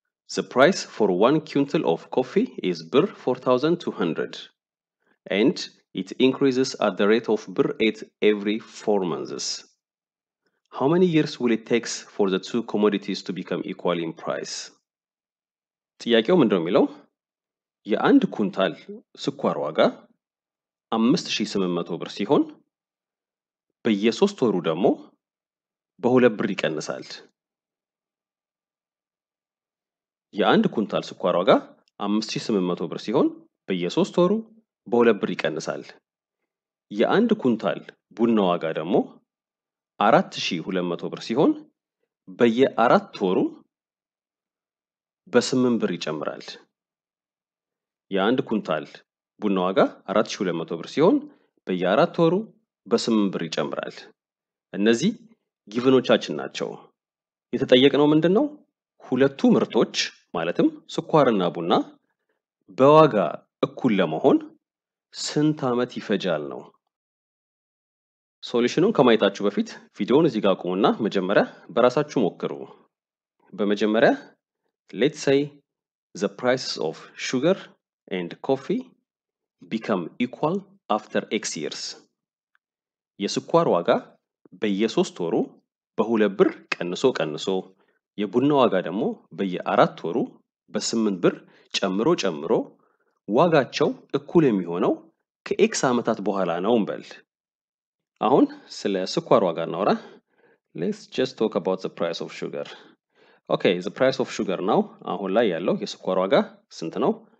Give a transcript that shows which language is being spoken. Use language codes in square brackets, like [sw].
[en] The price for 1 quintal of coffee is birr 4200 and it increases at the rate of birr 8 every 4 months. How many years will it take for the two commodities to become equal in price? [am] ጥያቄው ምንድነው የሚለው? የአንድ ኩንታል ስኳር ዋጋ 5800 ብር ሲሆን በየሶስት ወሩ ደግሞ በሁለት ብር ይቀንሳል። የአንድ ኩንታል ስኳር ዋጋ 5800 ብር ሲሆን በየሶስት ወሩ በሁለት ብር ይቀንሳል። የአንድ ኩንታል ቡና ዋጋ ደግሞ 4200 ብር ሲሆን በየአራት ወሩ በስምንት ብር ይጨምራል። የአንድ ኩንታል ቡና ዋጋ 4200 ብር ሲሆን በየአራት ወሩ በስምንት ብር ይጨምራል። እነዚህ ጊቨኖቻችን ናቸው። የተጠየቀነው ምንድነው? ሁለቱ ምርቶች ማለትም ስኳርና ቡና በዋጋ እኩል ለመሆን ስንት ዓመት ይፈጃል ነው? ሶሉሽኑን ከመይታችሁ በፊት ቪዲዮውን እዚህ ጋር ቆሙና መጀመሪያ በራሳችሁ ሞክሩ። በመጀመሪያ [en] let's say the prices of sugar and coffee become equal after x years. [am] የስኳር ዋጋ በየሶስት ወሩ በሁለት ብር ቀንሶ የቡና ዋጋ ደግሞ በየአራት ወሩ በስምንት ብር ጨምሮ ዋጋቸው እኩል የሚሆነው ከx አመታት በኋላ ነው እንበል። አሁን ስለ ስኳር ዋጋ እናውራ። [en] Let's just talk about the price of sugar. Okay, the price of sugar now. [am] አሁን ላይ ያለው የስኳር ዋጋ ስንት ነው?